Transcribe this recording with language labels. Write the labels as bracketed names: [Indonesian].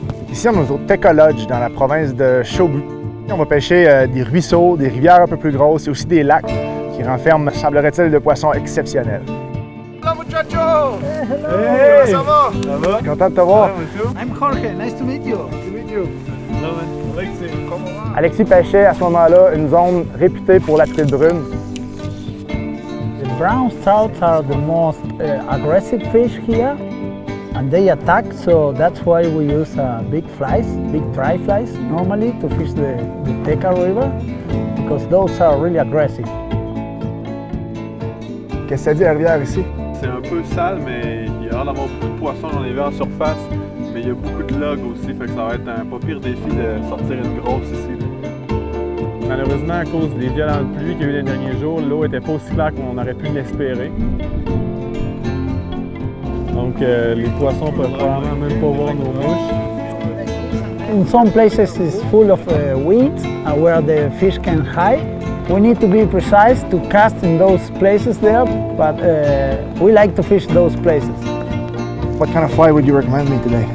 [French] Ici, on est au Teca Lodge, dans la province de Chubut. On va pêcher des ruisseaux, des rivières un peu plus grosses et aussi des lacs qui renferment, semblerait-il, de poissons exceptionnels. [English] Hey, hello! [French] Comment ça va? Content de te voir. [English] I'm Jorge, nice to meet you. Hello, man. Alexis, [French] comment? Alexis pêchait à ce moment-là une zone réputée pour la truite brune. [English] The brown trout are the most aggressive fish here, and they attack, so that's why we use big flies, big dry flies, normally to fish the Teca River, because those are really aggressive. [French] Qu'est-ce que ça dit la rivière ici? C'est un peu sale, mais il y a l'air d'avoir beaucoup de poissons, j'en ai vu en surface, mais il y a beaucoup de logs aussi, fait que ça va être un pas pire défi de sortir une grosse ici. Malheureusement, à cause des violentes pluies qu'il y a eu les derniers jours, l'eau n'était pas aussi claire qu'on aurait pu l'espérer. Donc, les poissons peuvent probablement même pas voir nos mouches. [English] In some places, it's full of weeds, where the fish can hide. We need to be precise to cast in those places there, but we like to fish those places. What kind of fly would you recommend me today?